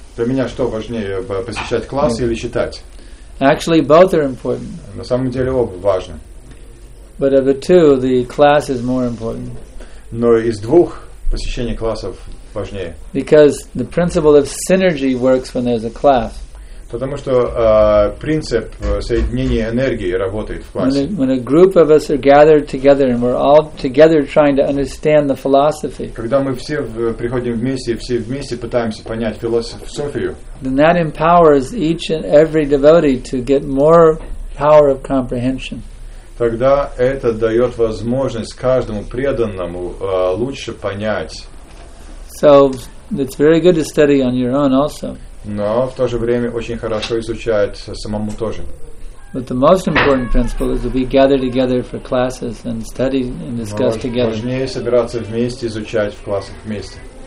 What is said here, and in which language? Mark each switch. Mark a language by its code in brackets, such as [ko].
[ru] Для меня что важнее, посещать класс или читать? [en] Actually, both are important. [ru] На самом деле, оба важны. [en] But of the two, the class is more important. [ru] Но из двух посещение классов важнее. [en] Because the principle of synergy works when there's a class. [ru] Потому что принцип соединения энергии работает в классе. [en] When a group of us are gathered together and we're all together trying to understand the philosophy. [ru] Когда мы все приходим вместе и все вместе пытаемся понять философию. [en] Then that empowers each and every devotee to get more power of comprehension. [ru] Тогда это дает возможность каждому преданному лучше понять. [en] So it's very good to study on your own also. [ru] Но в то же время очень хорошо изучать самому тоже. [en] But the most important principle is that we gather together for classes and study and discuss together. [ru] Важнее собираться вместе, изучать в классах вместе.